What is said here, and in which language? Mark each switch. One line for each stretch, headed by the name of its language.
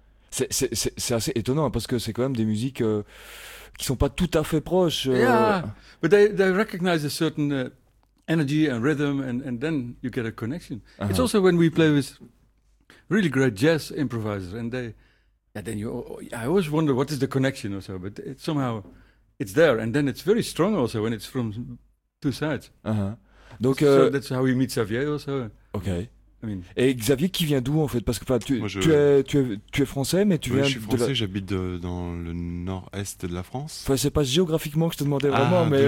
French: C'est assez étonnant parce que c'est quand même des musiques qui sont pas tout à fait proches.
English: Yeah, but they recognize a certain energy and rhythm, and then you get a connection. It's also when we play with really great jazz improvisers, and I always wonder what is the connection or so, but it's somehow. It's there, and then it's very strong also when it's from two sides.
French: Donc,
English: so that's how we meet Xavier also. Okay. I mean.
French: Et Xavier qui vient d'où en fait? Parce que tu es français, mais viens. Oui, je suis français. J'habite dans le nord-est de la France. Enfin, c'est pas géographiquement que je te demandais vraiment, mais